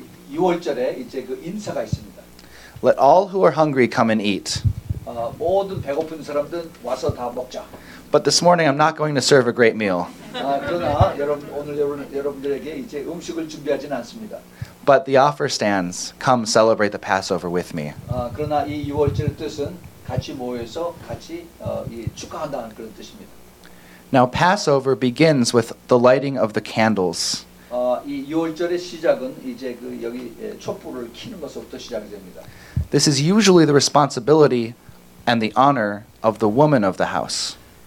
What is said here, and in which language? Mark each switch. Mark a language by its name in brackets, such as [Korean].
[Korean] 유월절에 이제 그 인사가 있습니다. [English] Let all who are hungry come and eat. [Korean] 모든 배고픈 사람들 와서 다 먹자. [English] But this morning I'm not going to serve a great meal. [Korean] 그러나 여러분 오늘 여러분들에게 이제 음식을 준비하진 않습니다. [English] But the offer stands. Come celebrate the Passover with me. [Korean] 그러나 이 유월절 뜻은 같이 모여서 같이 축하한다는 그런 뜻입니다. [English] Now Passover begins with the lighting of the candles. [Korean] 이 유월절의 시작은 이제 그 여기 촛불을 켜는 것부터 시작이 됩니다. [English] This is usually the responsibility and the honor of the woman of the house.